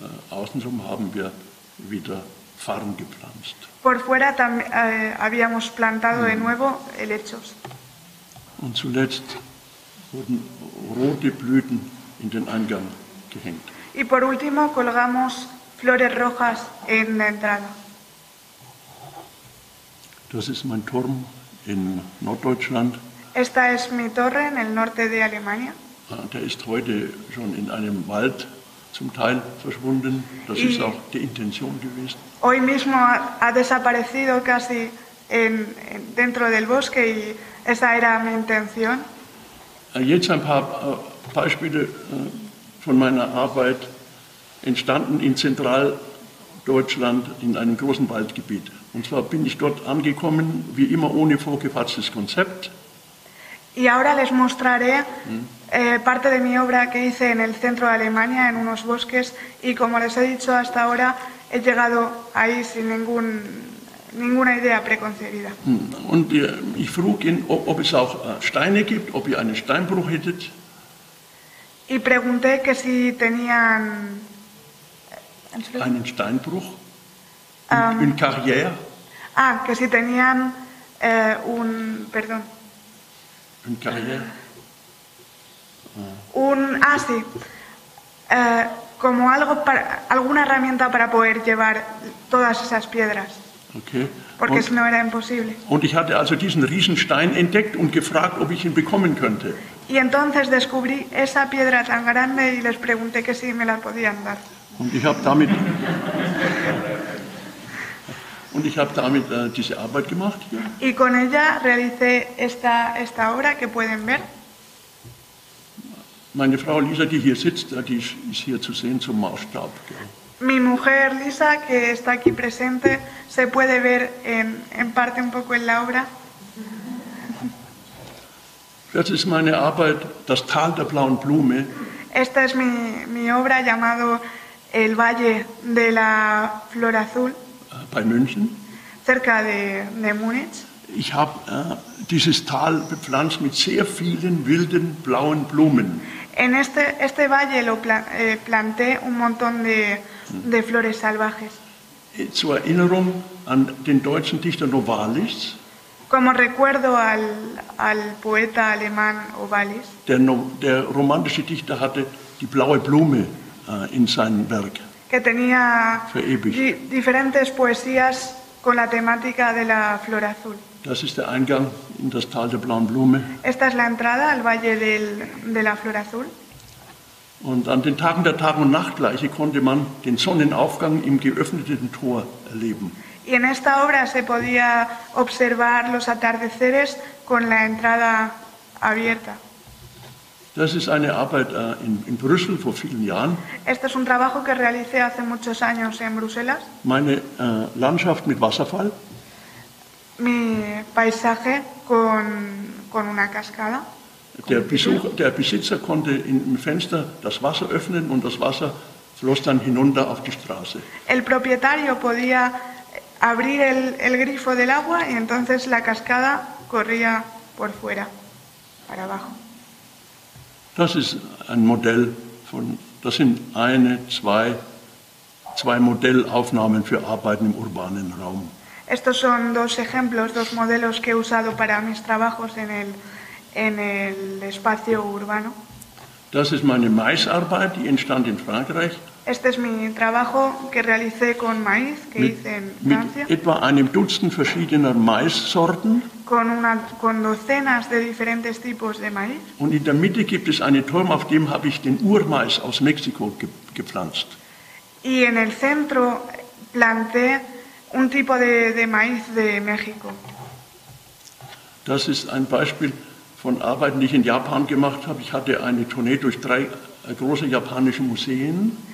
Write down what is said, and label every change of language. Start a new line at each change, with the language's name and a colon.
German: Außenrum haben wir wieder Farn gepflanzt.
Spanish: Por fuera habíamos plantado de nuevo helechos.
German: Und zuletzt wurden rote Blüten in den Eingang gehängt.
Spanish: Y por último colgamos flores rojas en la entrada.
German: Das ist mein Turm in Norddeutschland.
Spanish: Esta es mi torre en el norte de Alemania.
German: Der ist heute schon in einem Wald zum Teil verschwunden. Das ist auch die Intention gewesen.
Spanish: Hoy mismo ha desaparecido casi dentro del bosque y esa era mi intención.
German: Jetzt ein paar Beispiele von meiner Arbeit entstanden in Zentraldeutschland in einem großen Waldgebiet. Und zwar bin ich dort angekommen, wie immer ohne vorgefasstes Konzept.
Spanish: Y ahora les mostraré parte de mi obra que hice en el centro de Alemania, en unos bosques, y como les he dicho hasta ahora, he llegado ahí sin ninguna idea preconcebida.
German: Und ich frug ihn, ob es auch Steine gibt, ob ihr einen Steinbruch hättet.
Spanish: Y pregunté que si tenían
German: einen Steinbruch, eine Karriere.
Spanish: Ah, que si tenían un, perdón.
German: Eine Karriere.
Spanish: Como algo para, alguna herramienta para poder llevar todas esas piedras. Okay. Porque si no era imposible.
German: Und ich hatte also diesen Riesenstein entdeckt und gefragt, ob ich ihn bekommen könnte.
Spanish: Y entonces descubrí esa piedra tan grande y les pregunté que si me la podían dar.
German: Und ich habe damit diese Arbeit gemacht hier.
Spanish: Y con ella realicé esta obra que pueden ver.
German: Meine Frau Lisa, die hier sitzt, die ist hier zu sehen zum Maßstab.
Spanish: Mi mujer Lisa, que está aquí presente, se puede ver en parte un poco en la obra.
German: Das ist meine Arbeit, das Tal der blauen Blume.
Spanish: Esta es mi obra llamado El Valle de la Flor Azul.
German: Bei München.
Spanish: Cerca de Múnich.
German: Ich habe dieses Tal bepflanzt mit sehr vielen wilden blauen Blumen.
Spanish: En este valle lo planté un montón de flores salvajes.
German: Zur Erinnerung an den deutschen Dichter Novalis.
Spanish: Como recuerdo al poeta alemán Novalis.
German: Der romantische Dichter hatte die blaue Blume in seinem Werk.
Spanish: Que tenía diferentes poesías con la temática de la flor azul.
German: Das ist der Eingang in das Tal der blauen Blume.
Spanish: Esta es la entrada al Valle de la Flor Azul.
German: Und an den Tagen der Tag- und Nachtgleiche konnte man den Sonnenaufgang im geöffneten Tor erleben.
Spanish: Y en esta obra se podía observar los atardeceres con la entrada abierta.
German: Das ist eine Arbeit in Brüssel vor vielen Jahren.
Spanish: Este es un trabajo que realicé hace muchos años en Bruselas.
German: Meine Landschaft mit Wasserfall.
Spanish: Mi paisaje con una cascada.
German: Der Besitzer konnte im Fenster das Wasser öffnen und das Wasser floss dann hinunter auf die Straße.
Spanish: El propietario podía abrir el grifo del agua y entonces la cascada corría por fuera, para abajo.
German: Das ist ein Modell von, das sind eine, zwei Modellaufnahmen für Arbeiten im urbanen Raum.
Spanish: Estos son dos ejemplos, dos modelos que he usado para mis trabajos en el espacio urbano.
German: Das ist meine Maisarbeit, die entstand in Frankreich.
Spanish: Este es mi trabajo que realicé con maíz, que hice en Francia.
German: Mit etwa einem Dutzend verschiedener Maissorten.
Spanish: Con docenas de diferentes tipos de maíz.
German: Und in der Mitte gibt es einen Turm, auf dem habe ich den Urmais aus Mexiko gepflanzt.
Spanish: Y en el centro planté un tipo de maíz de México.
German: Das ist ein Beispiel von Arbeiten, die ich in Japan gemacht habe. Ich hatte eine Tournee durch drei große japanische Museen.